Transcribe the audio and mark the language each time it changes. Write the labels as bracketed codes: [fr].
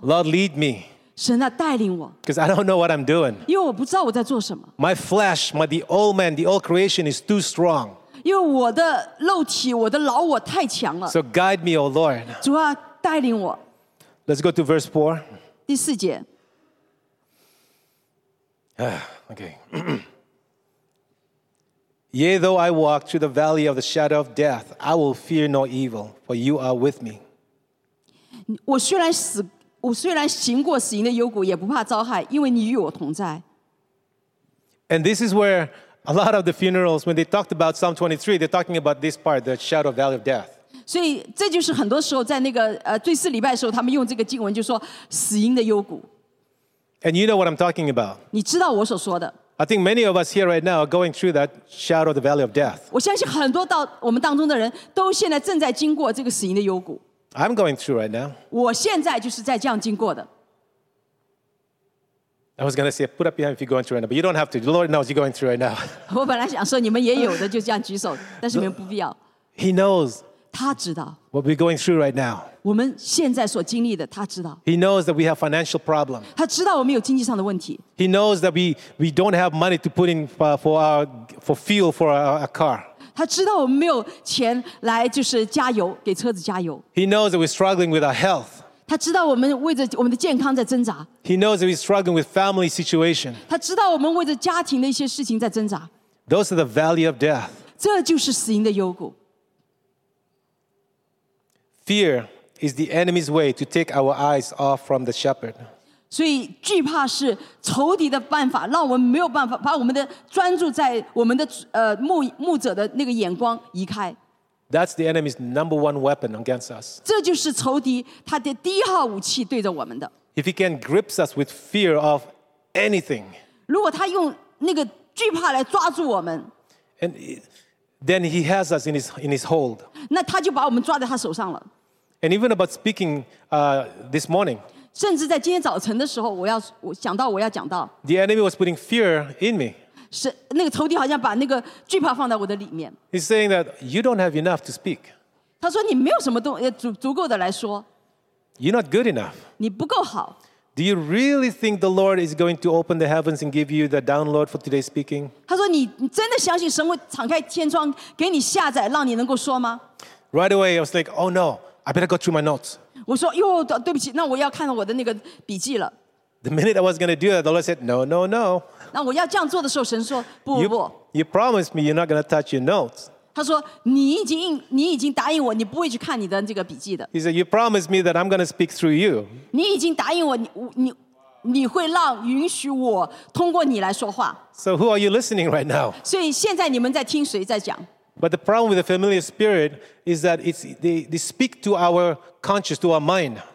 [en] Lord, lead me. [zh] 神啊，带领我。 [en] Because I don't know what I'm doing. [zh] 因为我不知道我在做什么。 [en] My flesh, the old man, the old creation is too strong. [zh] 因为我的肉体，我的老我太强了。 [en] So guide me, O Lord. [zh] 主啊，带领我。 [en] Let's go to verse 4. [zh] 第四节。 [en] Okay. Yea, though I walk through the valley of the shadow of death, I will fear no evil, for you are with me. [zh] 我虽然死。我虽然行过死荫的幽谷，也不怕遭害，因为你与我同在。 [en] And this is where a lot of the funerals, when they talked about Psalm 23, they're talking about this part, the shadow of valley of death. [zh] 所以这就是很多时候在那个最四礼拜的时候，他们用这个经文就说死荫的幽谷。 [en] And you know what I'm talking about. [zh] 你知道我所说的。 [en] I think many of us here right now are going through that shadow of the valley of death. [zh] 我相信很多到我们当中的人都现在正在经过这个死荫的幽谷。 [en] I'm going through right now. [zh] 我现在就是在这样经过的。 [en] I was going to say, put up your hand if you're going through right now, but you don't have to. The Lord knows you're going through right now. [zh] 我本来想说你们也有的就这样举手，但是你们不必要。 [en] He knows. [zh] 他知道。 [en] What we're going through right now. [zh] 我们现在所经历的，他知道。 [en] He knows that we have financial problems. [zh] 他知道我们有经济上的问题。 [en] He knows that we don't have money to put in for fuel for our car. [zh] 他知道我们没有钱来就是加油给车子加油。 [en] He knows that we're struggling with our health. [zh] 他知道我们为着我们的健康在挣扎。 [en] He knows that we're struggling with family situation. [zh] 他知道我们为着家庭的一些事情在挣扎。 [en] Those are the valley of death. [zh] 这就是死荫的幽谷。 [en] Fear is the enemy's way to take our eyes off from the shepherd. [zh] 所以惧怕是仇敌的办法，让我们没有办法把我们的专注在我们的牧者的那个眼光移开。 [en] That's the enemy's number one weapon against us. [zh] 这就是仇敌他的第一号武器对着我们的。 [en] If he can grip us with fear of anything, [zh] 如果他用那个惧怕来抓住我们， [en] and then he has us in his hold. [zh] 那他就把我们抓在他手上了。 [en] And even about speaking this morning, [zh] 甚至在今天早晨的时候，我想到我要讲到。 [en] The enemy was putting fear in me. [zh] 是那个仇敌好像把那个惧怕放在我的里面。 [en] He's saying that you don't have enough to speak. [zh] 他说你没有什么足够的来说。 [en] You're not good enough. [zh] 你不够好。 [en] Do you really think the Lord is going to open the heavens and give you the download for today's speaking? [zh] 他说你真的相信神会敞开天窗给你下载，让你能够说吗 [en] ？Right away, I was like, "Oh no, I better go through my notes." [zh] 我说哟，对不起，那我要看我的那个笔记了。 [en] The minute I was going to do that, the Lord said, "No, no, no." [zh] 那我要这样做的时候，神说不不。 [en] You promised me you're not going to touch your notes. [zh] 他说你已经答应我，你不会去看你的这个笔记的。 [en] He said you promised me that I'm going to speak through you. [zh] 你已经答应我，你会让允许我通过你来说话。 [en] So who are you listening right now? [zh] 所以现在你们在听谁在讲 [en] ？But the problem with the familiar spirit is that it's they speak to our conscious, to our mind.